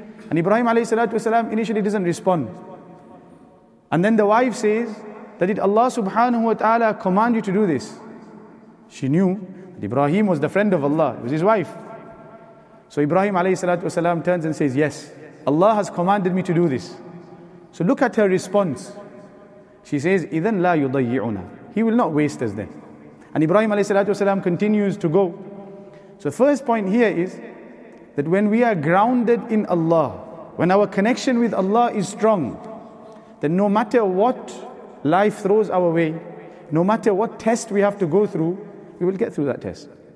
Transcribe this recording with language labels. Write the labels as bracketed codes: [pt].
[en] And Ibrahim alayhi salatu wasalam initially doesn't respond. And then the wife says, that did Allah subhanahu wa ta'ala command you to do this? She knew that Ibrahim was the friend of Allah. It was his wife. So Ibrahim alayhi salatu wasalam turns and says, yes, Allah has commanded me to do this. So look at her response. She says, [ar] إِذَنْ لَا يُضَيِّعُنَا. [en] He will not waste us then. And Ibrahim alayhi salatu wasalam continues to go. So first point here is that when we are grounded in Allah, when our connection with Allah is strong, then no matter what life throws our way, no matter what test we have to go through, we will get through that test.